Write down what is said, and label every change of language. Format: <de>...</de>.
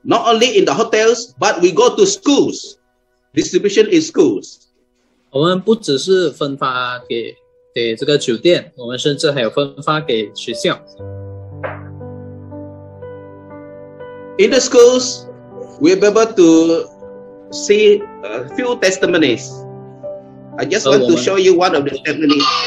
<en>only in the hotels, but we go to schools. Distribution in schools.</en> <zh>我们不只是分发给 给这个酒店, 我们甚至还有分发给学校。</zh> <en>In the schools, we're able to see a few testimonies. I just want to show you one of the testimonies.</en>